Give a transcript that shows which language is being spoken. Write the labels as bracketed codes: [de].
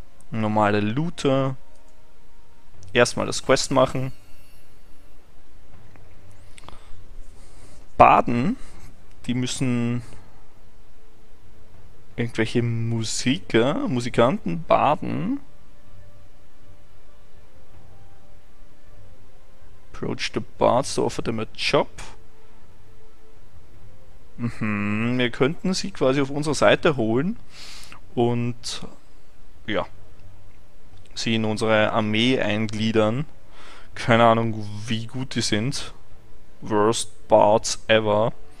[de] Normale Looter. Erstmal das Quest machen. Baden, die müssen irgendwelche Musikanten baden. [en] Approach the bards to offer them a job. [de] Wir könnten sie quasi auf unsere Seite holen und ja, sie in unsere Armee eingliedern. Keine Ahnung, wie gut die sind. [en] Worst Bards ever.